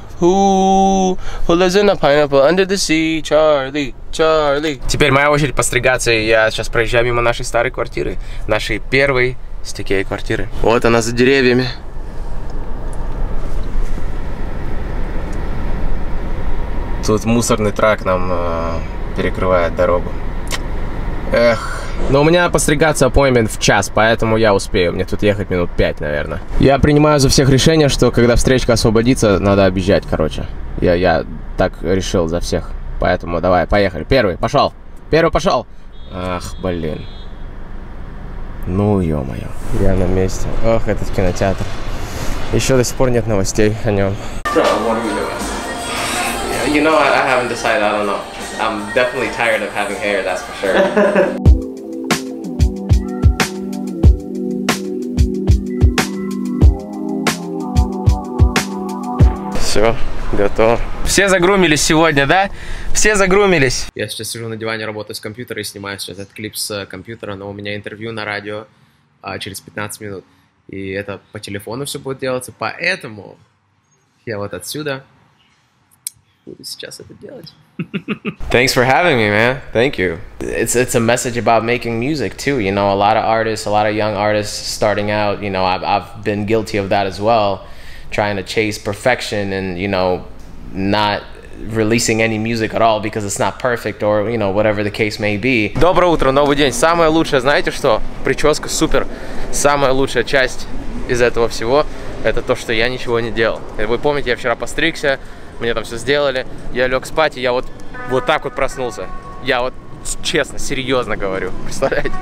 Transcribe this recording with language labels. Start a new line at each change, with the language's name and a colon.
English: Who lives in a pineapple under the sea? Charlie.
Russian: Теперь моя очередь постригаться, и я сейчас проезжаю мимо нашей старой квартиры. Нашей первой стекей квартиры. Вот она за деревьями. Тут мусорный трак нам перекрывает дорогу. Эх. Но у меня постригаться appointment в час, поэтому я успею. Мне тут ехать минут 5, наверное. Я принимаю за всех решение, что когда встречка освободится, надо объезжать, короче. Я так решил за всех. Поэтому давай, поехали. Первый пошел. Ах, блин. Ну, ё-моё. Я на месте. Ох, этот кинотеатр. Еще до сих пор нет новостей о нем.
English: Bro, what are you doing? You know, I haven't decided, I don't know. I'm definitely tired of having hair, that's for sure.
Russian: Все, готов. Все загрумились сегодня, да? Все загрумились. Я сейчас сижу на диване, работаю с компьютера и снимаю сейчас этот клип с компьютера, но у меня интервью на радио через 15 минут. И это по телефону все будет делаться, поэтому я вот отсюда буду сейчас это делать.
English: Thanks for having me, man. Thank you. It's a message about making music too. You know, a lot of artists, a lot of young artists starting out, you know, I've been guilty of that as well. Trying to chase perfection and, you know, not releasing any music at all because it's not perfect or, you know, whatever the case may be.
Russian: Доброе утро, новый день. Самое лучшее, знаете что? Прическа супер. Самая лучшая часть из этого всего – это то, что я ничего не делал. Вы помните, я вчера постригся, мне там все сделали. Я лег спать, и я вот так вот проснулся. Я вот честно, серьезно говорю, представляете?